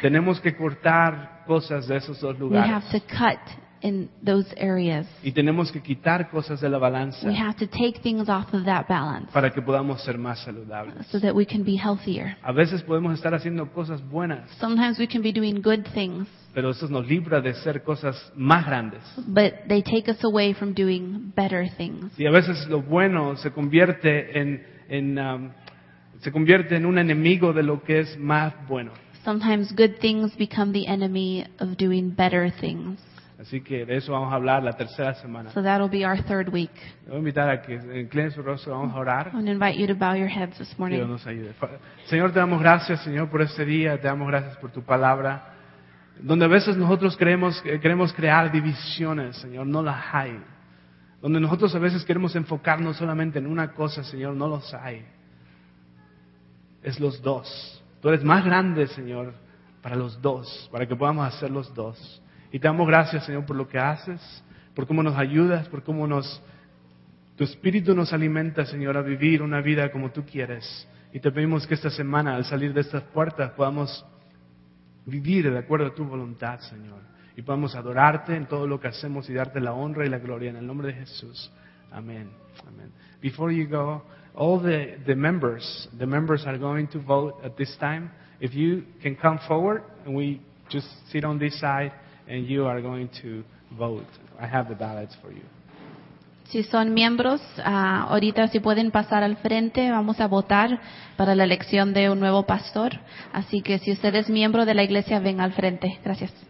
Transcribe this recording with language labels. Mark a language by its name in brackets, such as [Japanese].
[Spanish] tenemos que cortar cosas de esos dos lugares. [English] We have to cut in those areas. [Spanish] Y tenemos que quitar cosas de la balanza. [English] We have to take things off of that balance. [Spanish] Para que podamos ser más saludables. [English] So that we can be healthier. [Spanish] A veces podemos estar haciendo cosas buenas. [English] Sometimes we can be doing good things. [Spanish] Pero eso nos libra de hacer cosas más grandes. [English] But they take us away from doing better things. [Spanish] Y a veces lo bueno se convierte en un enemigo de lo que es más bueno. [English] Sometimes good things become the enemy of doing better things. [Spanish] Así que de eso vamos a hablar la tercera semana. [English] So that'll be our third week. [Spanish] Voy a invitar a que inclinen su rostro, vamos a orar. [English] I'm going to invite you to bow your heads this morning. [Spanish] Dios nos ayude. Señor, te damos gracias, Señor, por este día. Te damos gracias por tu palabra. Donde a veces nosotros queremos crear divisiones, Señor, no las hay. Donde nosotros a veces queremos enfocarnos solamente en una cosa, Señor, no los hay. Es los dos. Tú eres más grande, Señor, para los dos, para que podamos hacer los dos. Y te damos gracias, Señor, por lo que haces, por cómo nos ayudas, por cómo tu espíritu nos alimenta, Señor, a vivir una vida como tú quieres. Y te pedimos que esta semana, al salir de estas puertas, podamos vivir de acuerdo a tu voluntad, Señor. Y podamos adorarte en todo lo que hacemos y darte la honra y la gloria en el nombre de Jesús. Amen. Amen. [English] Before you go, all the members are going to vote at this time. If you can come forward, and we just sit on this side, and you are going to vote. I have the ballots for you. [Spanish] Si son miembros, ahorita si pueden pasar al frente, vamos a votar para la elección de un nuevo pastor. Así que si usted es miembro de la iglesia, ven al frente. Gracias.